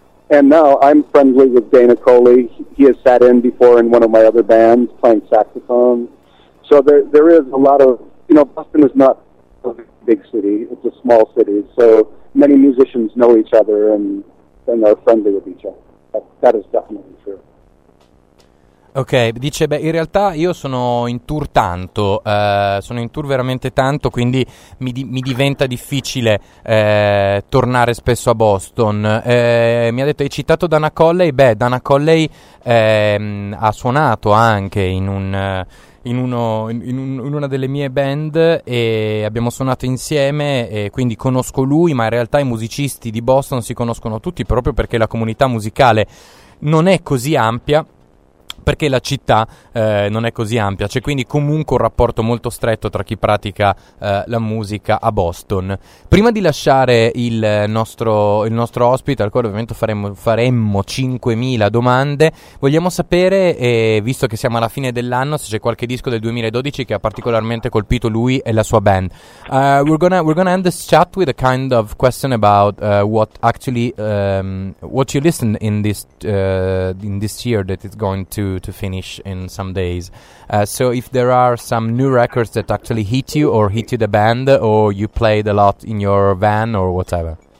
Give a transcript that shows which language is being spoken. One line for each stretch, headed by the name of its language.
English: And now I'm friendly with Dana Colley. He has sat in before in one of my other bands playing saxophone. So there is a lot of, you know, Boston is not a big city. It's a small city. So many musicians know each other and are friendly with each other. That is definitely true.
Italian: Ok, dice, beh, in realtà io sono in tour tanto, sono in tour veramente tanto, quindi mi diventa difficile tornare spesso a Boston. Mi ha detto, hai citato Dana Colley? Beh, Dana Colley ha suonato anche in una delle mie band e abbiamo suonato insieme e quindi conosco lui, ma in realtà i musicisti di Boston si conoscono tutti proprio perché la comunità musicale non è così ampia. Perché la città non è così ampia, c'è quindi comunque un rapporto molto stretto tra chi pratica la musica a Boston. Prima di lasciare il nostro ospite, al quale ovviamente faremmo 5.000 domande, vogliamo sapere, visto che siamo alla fine dell'anno, se c'è qualche disco del 2012 che ha particolarmente colpito lui e la sua band.
English: We're gonna end this chat with a kind of question about what you listen in this year that is going to finish in some days. So if there are some new records that actually hit you or hit you the band or you played a lot in your van or whatever.